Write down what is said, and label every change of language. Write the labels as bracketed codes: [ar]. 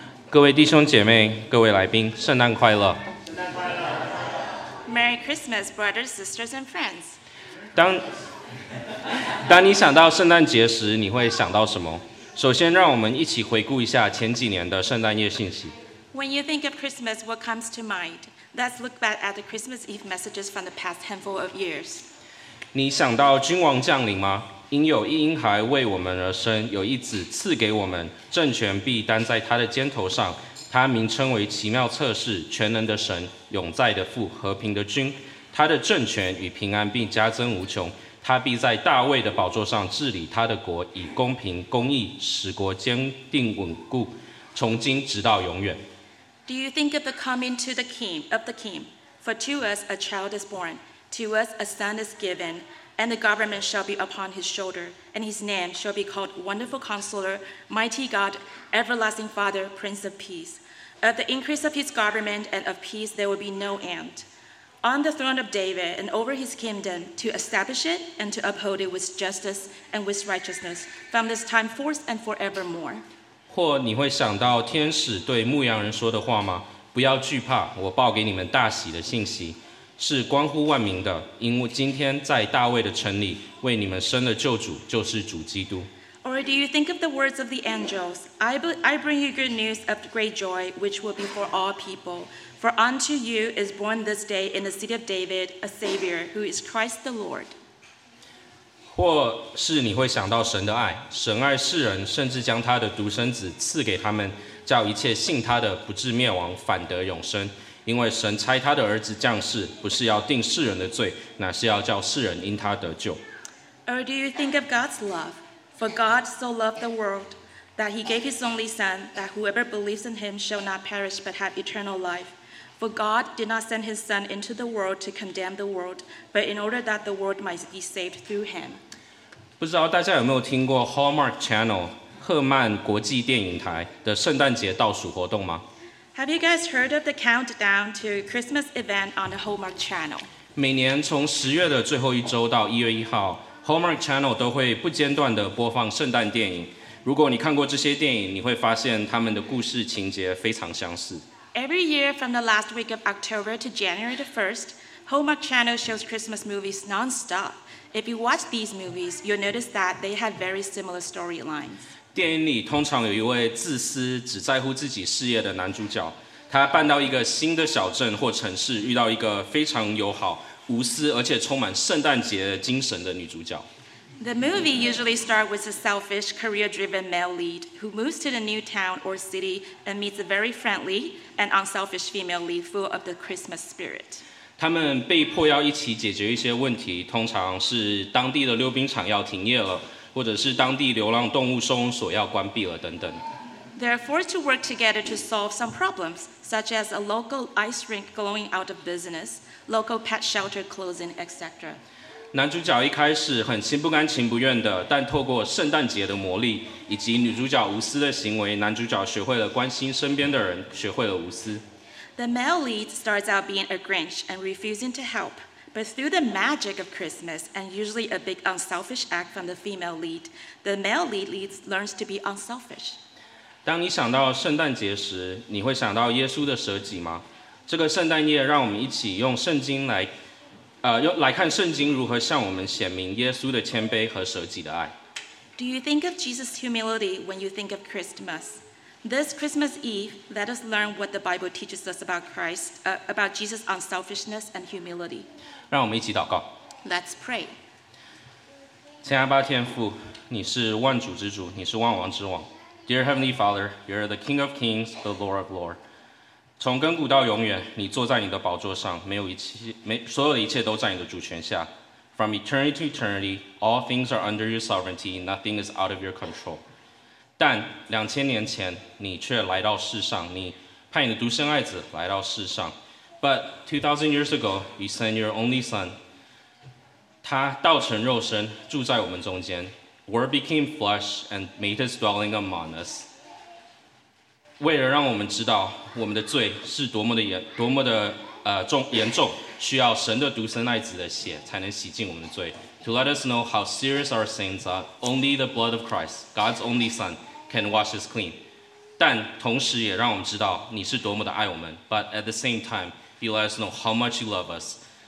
[zh] 各位弟兄姐妹，各位来宾，圣诞快乐！圣诞快乐 [en] ！Merry Christmas, brothers, sisters, and friends. [zh] 当你想到圣诞节时，你会想到什么？首先，让我们一起回顾一下前几年的圣诞夜信息。 [en] When you think of Christmas, what comes to mind? Let's look back at the Christmas Eve messages from the past handful of years. [zh] 你想到君王降临吗？因有一婴孩为我们而生，有一子赐给我们，政权必担在他的肩头上。他名称为奇妙策士、全能的神、永在的父、和平的君。他的政权与平安必加增无穷。他必在大卫的宝座上治理他的国，以公平公义使国坚定稳固，从今直到永远。 [en] Do you think of the coming to the king of the king? For to us a child is born, to us a son is given. And the government shall be upon his shoulder, and his name shall be called Wonderful Counselor, Mighty God, Everlasting Father, Prince of Peace. Of the increase of his government and of peace there will be no end. On the throne of David and over his kingdom, to establish it and to uphold it with justice and with righteousness, from this time forth and forevermore. [zh] 或你会想到天使对牧羊人说的话吗？不要惧怕，我报给你们大喜的信息。是关乎万民的，因为今天在大卫的城里为你们生了救主，就是主基督。 [en] Or do you think of the words of the angels? I bring you good news of great joy, which will be for all people. For unto you is born this day in the city of David a Savior, who is Christ the Lord. [zh] 或是你会想到神的爱，神爱世人，甚至将他的独生子赐给他们，叫一切信他的不至灭亡，反得永生。因为神差他的儿子降世，不是要定世人的罪，乃是要叫世人因他得救。 [en] Or do you think of God's love? For God so loved the world that he gave his only son, that whoever believes in him shall not perish but have eternal life. For God did not send his son into the world to condemn the world, but in order that the world might be saved through him. [zh] 不知道大家有没有听过 Hallmark Channel 赫曼国际电影台的圣诞节倒数活动吗？ [en] Have you guys heard of the countdown to Christmas event on the Hallmark Channel? [zh] 每年从十月的最后一周到一月一号 ，Hallmark Channel 都会不间断的播放圣诞电影。如果你看过这些电影，你会发现他们的故事情节非常相似。 [en] Every year from the last week of October to January the 1st, Hallmark Channel shows Christmas movies nonstop. If you watch these movies, you'll notice that they have very similar storylines. [zh] 电影里通常有一位自私、只在乎自己事业的男主角，他搬到一个新的小镇或城市，遇到一个非常友好、无私而且充满圣诞节精神的女主角。 [en] The movie usually starts with a selfish, career-driven male lead who moves to the new town or city and meets a very friendly and unselfish female lead full of the Christmas spirit. [zh] 他们被迫要一起解决一些问题，通常是当地的溜冰场要停业了。或者是当地流浪动物收容所要关闭了等等。 [en] They are forced to work together to solve some problems, such as a local ice rink going out of business, local pet shelter closing, etc. [zh] 男主角一开始很心不甘情不愿的，但透过圣诞节的魔力以及女主角无私的行为，男主角学会了关心身边的人，学会了无私。 [en] The male lead starts out being a Grinch and refusing to help. But through the magic of Christmas, and usually a big unselfish act from the female lead, the male lead learns to be unselfish. [zh] 当你想到圣诞节时，你会想到耶稣的舍己吗？这个圣诞夜，让我们一起用圣经来，来看圣经如何向我们显明耶稣的谦卑和舍己的爱。 [en] Do you think of Jesus' humility when you think of Christmas? This Christmas Eve, let us learn what the Bible teaches us about Christ, about Jesus' unselfishness and humility. [zh] 让我们一起祷告。 [en] Let's pray. [zh] 亲爱的天父，你是万主之主，你是万王之王。 [en] Dear Heavenly Father, you're the King of Kings, the Lord of Lords. [zh] 从亘古到永远，你坐在你的宝座上，所有的一切都在你的主权下。 [en] From eternity to eternity, all things are under your sovereignty, nothing is out of your control. [zh] 但2000年前，你却来到世上，你派你的独生爱子来到世上。 [en] But 2,000 years ago, you sent your only son. [zh] 他道成肉身，住在我们中间。 [en] Word became flesh and made his dwelling among us. [zh] 为了让我们知道我们的罪是多么的严重，需要神的独生爱子的血才能洗净我们的罪。 [en] To let us know how serious our sins are, only the blood of Christ, God's only son, can wash us clean. [zh] 但同时也让我们知道你是多么的爱我们。 [en] But at the same time, you let us know how much you love us.